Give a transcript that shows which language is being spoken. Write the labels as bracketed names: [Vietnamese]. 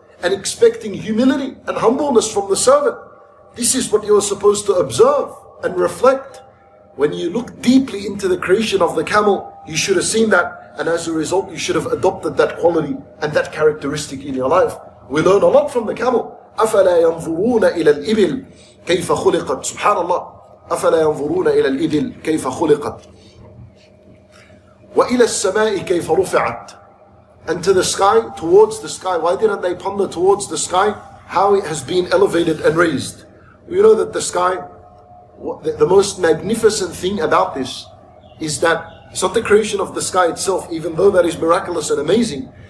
[English] And expecting humility and humbleness from the servant. This is what you're supposed to observe and reflect. When you look deeply into the creation of the camel, you should have seen that. And as a result, you should have adopted that quality and that characteristic in your life. We learn a lot from the camel. [Arabic] أفلا ينظرون إلى الإبل كيف خلقت. سبحان الله. أفلا ينظرون إلى الإبل كيف خلقت وإلى السماء كيف رفعت. [English] And to the sky, towards the sky. Why didn't they ponder towards the sky? How it has been elevated and raised. We know that the sky, the most magnificent thing about this is that it's not the creation of the sky itself, even though that is miraculous and amazing.